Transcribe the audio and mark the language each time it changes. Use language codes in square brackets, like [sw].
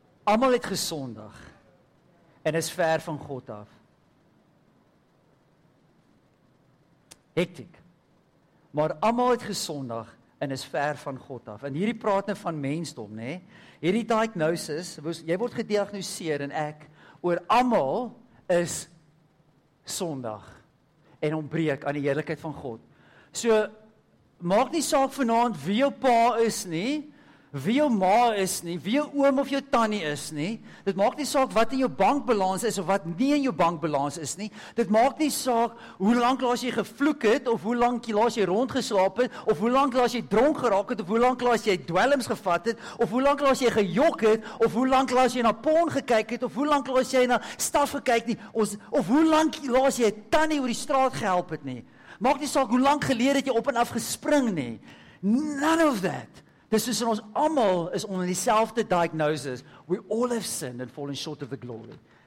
[af] Almal het gesondig en is ver van God af. Hektiek. Maar almal het gesondig en is ver van God af. En hierdie praat nou van mensdom, nê? Hierdie diagnosis, jy word gediagnoseer en ek, oor almal is sondig en ontbreek aan die heerlikheid van God. So, maak nie saak vanaand wie jou pa is nie, wie jou ma is nie, wie jou oom of jou tannie is nie, dit maak nie saak wat in jou bankbalans is, of wat nie in jou bankbalans is nie, dit maak nie saak hoe lang laas jy gevloek het, of hoe lang laas jy rondgeslaap het, of hoe lang laas jy dronk geraak het, of hoe lang laas jy dwelms gevat het, of hoe lang laas jy gejok het, of hoe lang laas jy na porn gekyk het, of hoe lang laas jy na staf gekyk nie, of hoe lang laas jy tannie oor die straat gehelp het nie, maak nie saak hoe lang gelede het jy op en af gespring nie, [en] none of that. [af] Dis soos ons allemaal is onder dieselfde diagnosis. [en] We all have sinned and fallen short of the glory.